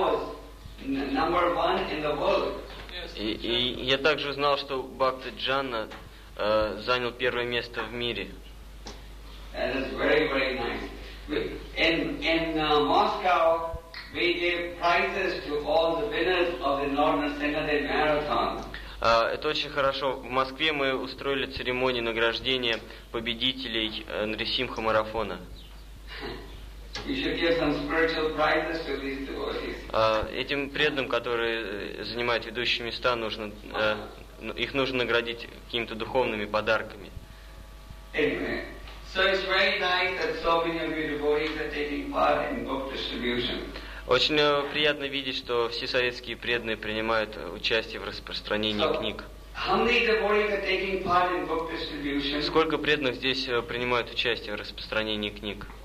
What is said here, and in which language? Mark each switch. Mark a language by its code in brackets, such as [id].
[en] was number one in the world. [ru] И я также знал, что Бхакта Джанна занял первое место в мире. [en] That is very, very nice. In Moscow, we gave prizes to all the winners of the Northern Synodic Marathon. [ru] Это очень хорошо. В Москве мы устроили церемонию награждения победителей Нарисимха-марафона. [en] You should give some spiritual prizes to these devotees. [ru] Этим преданным, которые занимают ведущие места, нужно их нужно наградить какими-то духовными подарками. [en] Anyway, so it's very nice that so many of you devotees are taking part in book distribution. [ru] Очень приятно видеть, что все советские преданные принимают участие в распространении книг. [en] How many devotees are taking part in book distribution? [ru] Сколько преданных здесь принимают участие в распространении книг?